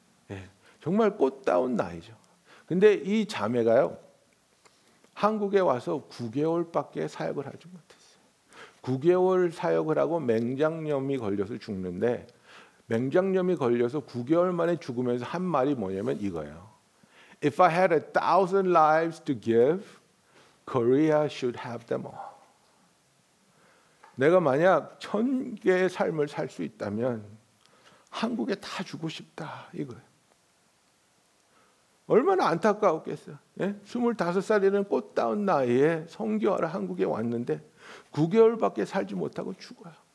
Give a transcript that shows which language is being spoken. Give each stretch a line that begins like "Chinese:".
Korean: 예, 정말 꽃다운 나이죠. 근데 이 자매가요, 한국에 와서 9개월밖에 사역을 하지 못했어요. 9개월 사역을 하고 맹장염이 걸려서 죽는데, 맹장염이 걸려서 9개월 만에 죽으면서 한 말이 뭐냐면 이거예요.
English: If I had 1,000 lives to give, Korea should have them all.
Korean: 내가 만약 1,000개의 삶을 살 수 있다면 한국에 다 주고 싶다, 이거예요. 얼마나 안타까웠겠어요. 예? 25살이라는 꽃다운 나이에 선교하러 한국에 왔는데 9개월밖에 살지 못하고 죽어요.